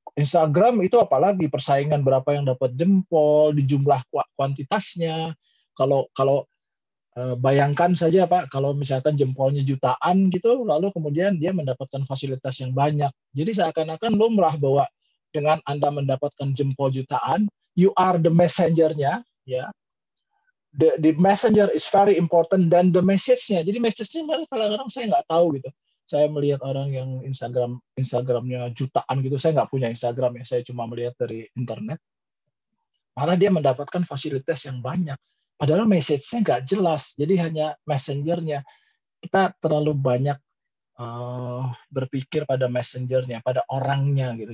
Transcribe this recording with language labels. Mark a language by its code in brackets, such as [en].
[id] Instagram itu apalagi persaingan berapa yang dapat jempol, di jumlah kuantitasnya. Kalau bayangkan saja Pak, kalau misalkan jempolnya jutaan gitu, lalu kemudian dia mendapatkan fasilitas yang banyak. Jadi seakan-akan lumrah bahwa dengan Anda mendapatkan jempol jutaan, [en] you are the messenger-nya, [id] ya. [en] The messenger is very important than the message-nya. [id] Jadi message-nya mana kadang-kadang saya nggak tahu gitu. Saya melihat orang yang Instagram-nya jutaan gitu, saya nggak punya Instagram ya, saya cuma melihat dari internet. Malah dia mendapatkan fasilitas yang banyak. Padahal message-nya nggak jelas, jadi hanya messenger-nya. Kita terlalu banyak berpikir pada messenger-nya, pada orangnya gitu.